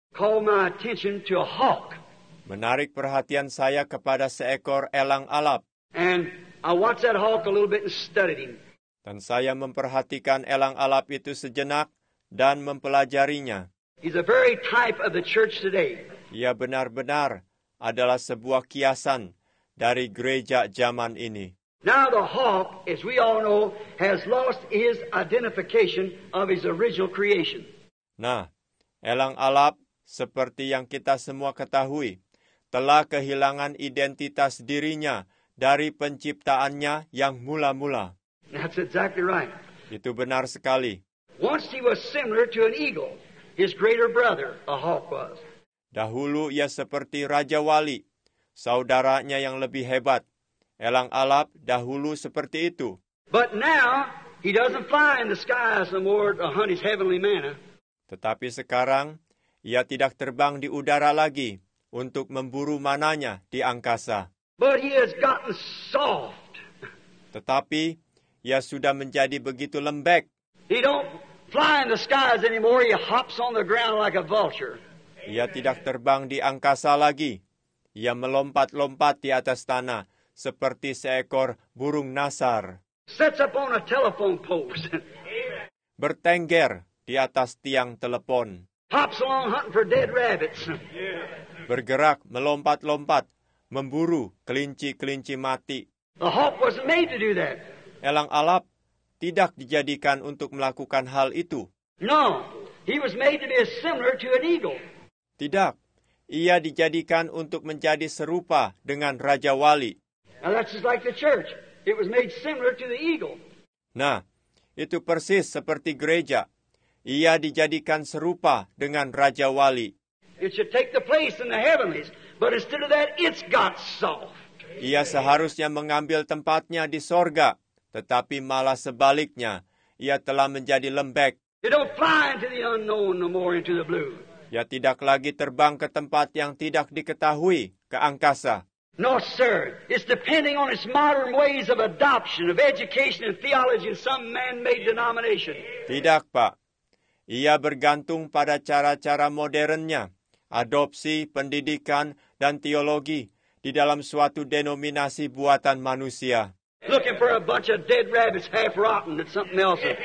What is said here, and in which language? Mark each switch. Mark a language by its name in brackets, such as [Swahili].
[English] called my attention to a hawk. [Indonesian] Menarik perhatian saya kepada seekor elang alap. [English] And I watched that hawk a little bit and studied him. [Indonesian] Dan saya memperhatikan elang alap itu sejenak dan mempelajarinya. [English] He's a very type of the church today. [Indonesian] Ia benar-benar adalah sebuah kiasan dari gereja zaman ini. [English] Now the hawk, as we all know, has lost his identification of his original creation. [Indonesian] Nah, elang alap seperti yang kita semua ketahui, telah kehilangan identitas dirinya dari penciptaannya yang mula-mula. [English] That's exactly right. [Indonesian] Itu benar sekali. [English] Once he was similar to an eagle, his greater brother, a hawk was. [Indonesian] Dahulu ia seperti Raja Wali, saudaranya yang lebih hebat. Elang alap dahulu seperti itu. [English] But now he doesn't fly in the skies no more to hunt his heavenly manna. [Indonesian] Tetapi sekarang ia tidak terbang di udara lagi untuk memburu mananya di angkasa. [English] But he has gotten soft. [Indonesian] Tetapi ia sudah menjadi begitu lembek. [English] He don't fly in the skies anymore. He hops on the ground like a vulture. [Indonesian] Ia tidak terbang di angkasa lagi. Ia melompat-lompat di atas tanah seperti seekor burung nasar. [English] Sets up on a telephone post. [Indonesian] Bertengger di atas tiang telepon. [English] Hops along hunting for dead rabbits. [Indonesian] Bergerak, melompat-lompat, memburu kelinci-kelinci mati. [English] The hawk wasn't made to do that. [Indonesian] Elang alap tidak dijadikan untuk melakukan hal itu. [English] No, he was made to be similar to an eagle. [Indonesian] Tidak, ia dijadikan untuk menjadi serupa dengan Raja Wali. [English] Now that's just like the church. It was made similar to the eagle. [Indonesian] Nah, itu persis seperti gereja. Ia dijadikan serupa dengan Raja Wali. [English] It should take the place in the heavenlies, but instead of that, it's got soft. [Indonesian] Ia seharusnya mengambil tempatnya di sorga, tetapi malah sebaliknya, ia telah menjadi lembek. [English] It don't fly into the unknown no more into the blue. [Indonesian] Ia tidak lagi terbang ke tempat yang tidak diketahui, ke angkasa. [English] No, sir. It's depending on its modern ways of adoption, of education and theology in some man-made denomination. [Indonesian] Tidak, Pak. Ia bergantung pada cara-cara modernnya, adopsi, pendidikan, dan teologi di dalam suatu denominasi buatan manusia. [English] Looking for a bunch of dead rabbits, half rotten, it's something else.